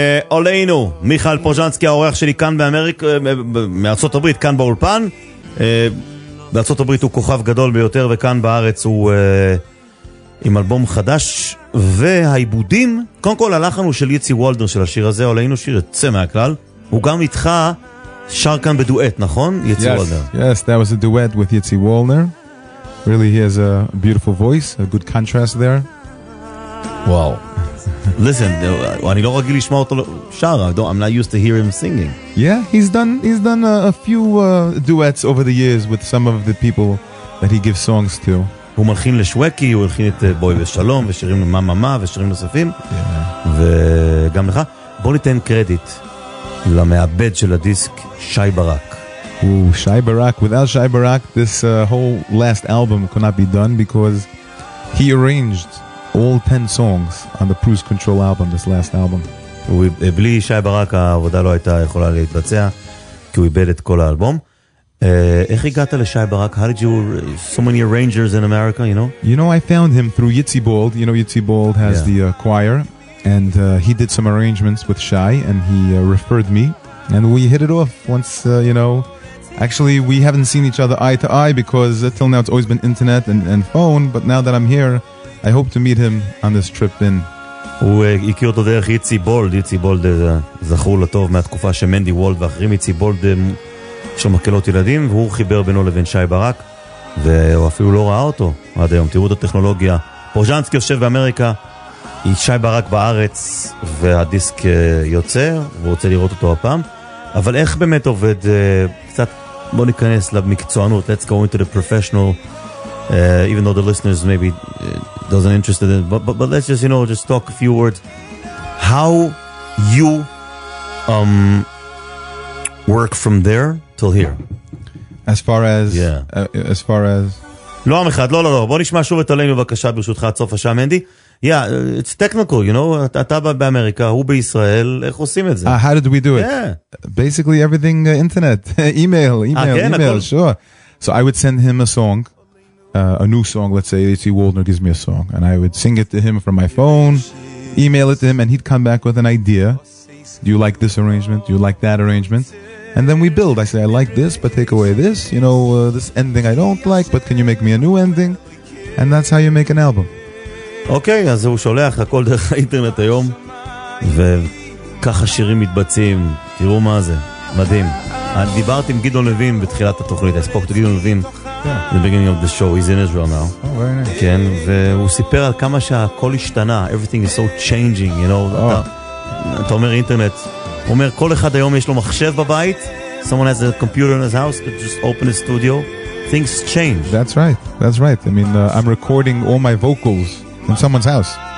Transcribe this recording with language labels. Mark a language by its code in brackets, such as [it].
[he] עלינו, מיכאל פוז'נסקי, האורח שלי כאן באמריקה, מארצות הברית, כאן באולפן. בארצות הברית הוא כוכב גדול ביותר, וכאן בארץ הוא עם אלבום חדש והעיבודים. קודם כל הלחן הוא של יצי וולדר של השיר הזה, עלינו, שיר יצא מהכלל. הוא גם איתך שר כאן בדואט, נכון? יצי וולדר. [en] Yes, that was a duet with יצי וולדר. Really, he has a beautiful voice, a good contrast there. Wow. [he] Listen, אני לא רגיל לשמוע אותו שר. [en] I'm not used to hear him singing. Yeah, he's done a few duets over the years with some of the people that he gives songs to. [he] הוא מלחין לשווקי, הוא הלחין את בוי ושלום, ושירים למאמה, ושירים נוספים. וגם לך. בוא ניתן קרדיט למעבד של הדיסק, שי ברק. [en] Ooh, Shai Barak. Without Shai Barak, this whole last album could not be done because he arranged all 10 songs on the Proust Control album, this last album. [he] בלי שי ברק, העבודה לא הייתה יכולה להתבצע, כי הוא איבד את כל האלבום. איך הגעת לשי ברק? [en] How did you, so many arrangers in America, you know? You know, I found him through Yitzi Bold. You know, Yitzi Bold has the choir, and he did some arrangements with Shai, and he referred me, and we hit it off once, you know. Actually, we haven't seen each other eye to eye because till now it's always been internet and phone, but now that I'm here, I hope to meet him on this trip in. [he] הוא הכיר אותו דרך יצי בולד. יצי בולד זכור לטוב מהתקופה שמנדי וולד ואחרים. יצי בולד יש לו מקלות ילדים, והוא חיבר בינו לבין שי ברק, והוא אפילו לא ראה אותו עד היום. תראו את הטכנולוגיה. פוז'נסקי יושב באמריקה, שי ברק בארץ, והדיסק יוצא, והוא רוצה לראות אותו הפעם. אבל איך באמת עובד, קצת בוא ניכנס למקצוענות, [en] let's go into the professional, even though the listeners maybe doesn't interested in, but let's just, you know, just talk a few words. How you work from there till here? As far as... Yeah. As far as... [he] לא עם אחד, לא, לא, לא. בוא נשמע שוב את עלינו בבקשה ברשותך עד סוף השעה, מנדי. [en] Yeah, it's technical, you know, [he] אתה באמריקה, הוא בישראל, איך עושים את זה? [en] How did we do it? Yeah. Basically everything internet, email, [he] כן, [en] sure. So I would send him a song, a new song, let's say, Yitzi Woldner gives me a song, and I would sing it to him from my phone, email it to him, and he'd come back with an idea. Do you like this arrangement? Do you like that arrangement? And then we build. I say, I like this, but take away this, you know, this ending I don't like, but can you make me a new ending? And that's how you make an album. [he] אוקיי, אז הוא שולח הכל דרך האינטרנט היום, וככה שירים מתבצעים. תראו מה זה, מדהים. אני דיברתי עם גדעון לוין בתחילת התוכנית, [en] I spoke to גדעון לוין, the beginning of the show, he's in Israel now. Oh, very nice. [he] כן, והוא סיפר על כמה שהכל השתנה, [en] everything is so changing, you know. [he] אתה אומר אינטרנט, הוא אומר, כל אחד היום יש לו מחשב בבית, [en] someone has a computer in his house, could just open his studio, things change. That's right, that's right. I mean, I'm recording all my vocals in someone's house.